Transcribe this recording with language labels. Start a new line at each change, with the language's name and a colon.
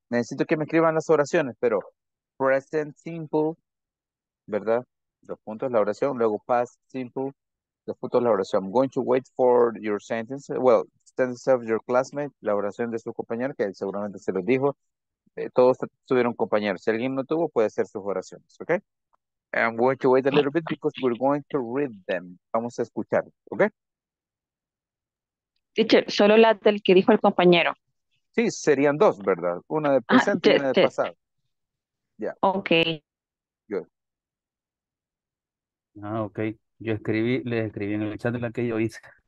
Spanish: Necesito que me escriban las oraciones, pero present simple, ¿verdad? Dos puntos, la oración, luego past simple, dos puntos, la oración.
English: I'm going to wait for your sentence. Well, sentence of your classmate,
Spanish: la oración de su compañero, que seguramente se lo dijo. Todos tuvieron compañeros. Si alguien no tuvo, puede hacer sus oraciones, ¿ok?
English: I'm going to wait a little bit because we're going to read them.
Spanish: Vamos a escuchar, ¿ok? Teacher, solo la del que dijo el compañero. Sí, serían dos, ¿verdad? Una de presente y una de pasado. Yeah.
English: Okay. Good. Ah, okay.
Spanish: Yo escribí, le escribí en el chat de la que yo hice.